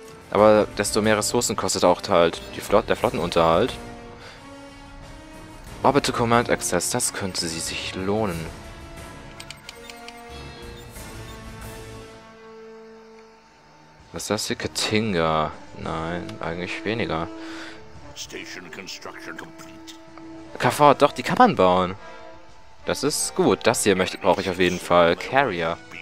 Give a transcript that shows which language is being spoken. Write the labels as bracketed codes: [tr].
[de] Aber desto mehr Ressourcen kostet auch halt die Flotte, der Flottenunterhalt. Orbital Command Access, das könnte sie sich lohnen. Was ist das hier? Katinga. Nein, eigentlich weniger. [en] Station Construction complete. [de] KV, doch, die kann man bauen. Das ist gut. Das hier möchte, brauche ich auf jeden Fall. Carrier.